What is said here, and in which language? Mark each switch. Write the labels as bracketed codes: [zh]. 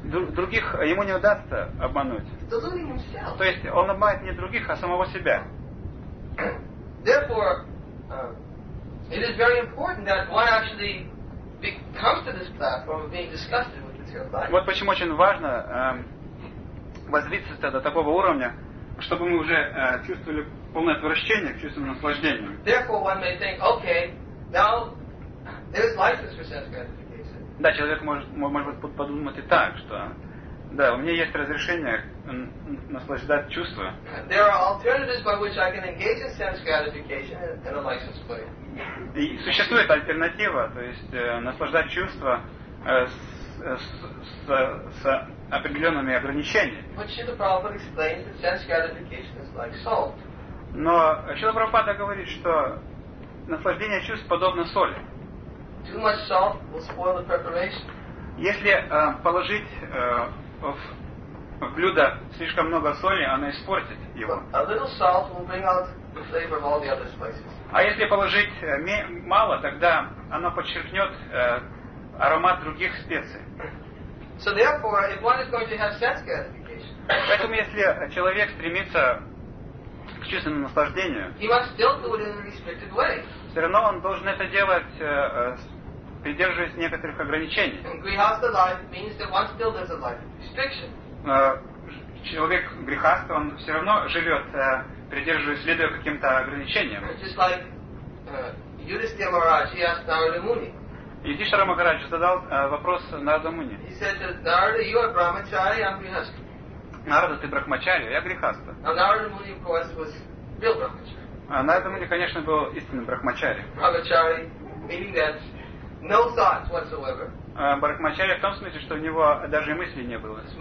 [ru] Других ему не удастся обмануть. [en] Deluding himself. [ru] То есть он обманет не других, а самого себя. [en] Therefore, it is very important that one actually comes to this platform of being disgusted with material life. [ru] Вот почему очень важно возвыситься до такого уровня, чтобы мы уже чувствовали полное отвращение к чувственному наслаждению. [en] Therefore, one may think, okay, now there is license for sense gratification. [ru] Да, человек может подумать и так, что да, у меня есть разрешение наслаждать чувства. [en] There are alternatives by which I can engage in sense gratification in a license plate. [ru] И существует альтернатива, то есть наслаждать чувства с определенными ограничениями. [en] But Śrīla Prabhupāda explains that sense gratification is like salt. [ru] Но Śrīla Prabhupāda говорит, что наслаждение чувств подобно соли. [en] Too much salt will spoil the preparation. [ru] Если положить в блюдо слишком много соли, она испортит его. [en] A little salt will bring out the flavor of all the other spices. [ru] А если положить мало, тогда оно подчеркнет аромат других специй. [en] So therefore, if one is going to have sense gratification, [ru] поэтому если человек стремится к чувственному наслаждению, [en] he must still do it in a restricted way. [ru] Все равно он должен это делать придерживаясь некоторых ограничений. [en] Grihastha life means that one still lives a life of restriction. [ru] Человек грехаст, он все равно живет, придерживаясь, следуя каким-то ограничениям. [en] Just like Yudhishthira Maharaj, he asked Narada Muni. [ru] Yudhishthira Maharaj задал вопрос Нараду Муни. [en] He said, Narada, you are brahmachari, I'm grihastha. [ru] Нарада, ты брахмачари, я грехаста. [en] Now Narada Muni, of course, was real brahmachari. [ru] Нарада Муни, конечно, был истинным брахмачари. [en] Brahmachari, meaning that no thoughts whatsoever. [ru] Брахмачари в том смысле, что у него даже и мыслей не было.